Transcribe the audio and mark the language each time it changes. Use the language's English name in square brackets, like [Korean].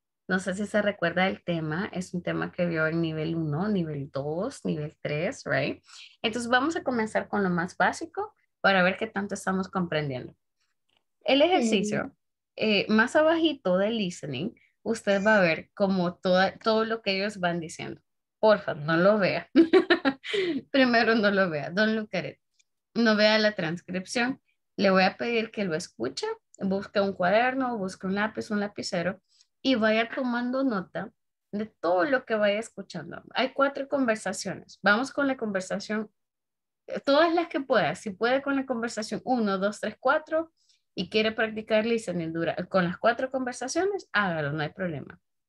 [Spanish] No sé si se recuerda el tema, es un tema que vio en nivel 1, nivel 2, nivel 3, right? Entonces vamos a comenzar con lo más básico para ver qué tanto estamos comprendiendo. El ejercicio, más abajito del listening, usted va a ver como todo lo que ellos van diciendo. Porfa, no lo vea. Primero no lo vea, [English] don't look at it. [Spanish] No vea la transcripción. Le voy a pedir que lo escuche, busque un cuaderno, busque un lápiz, un lapicero, y vaya tomando nota de todo lo que vaya escuchando. Hay 4 conversaciones. Vamos con la conversación, todas las que pueda. Si puede con la conversación 1, 2, 3, 4, y quiere practicar listening con las 4 conversaciones, hágalo, no hay problema.